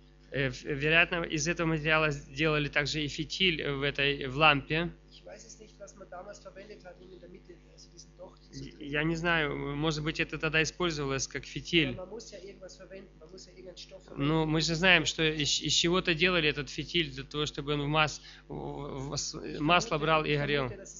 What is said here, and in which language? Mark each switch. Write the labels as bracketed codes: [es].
[ru] Вероятно, из этого материала сделали также и фитиль в лампе. [de] das man damals verwendet hat, in der Mitte, also diesen Docht. [ru] Я не знаю, может быть, это тогда использовалось как фитиль. [de] Man muss ja irgendwas verwenden, man muss ja irgendeinen Stoff verwenden. [ru] Ну, мы же знаем, что из чего-то делали этот фитиль для того, чтобы он масло брал и горел.